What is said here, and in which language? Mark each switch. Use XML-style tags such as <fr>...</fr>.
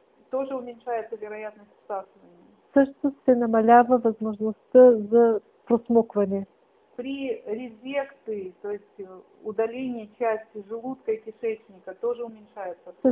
<ru>тоже уменьшается вероятность всасывания.</ru> <bg>Също се намалява възможността за просмукване.</bg> <ru>При резекции, то есть удаление части желудка и кишечника, тоже уменьшается всасывание.</ru>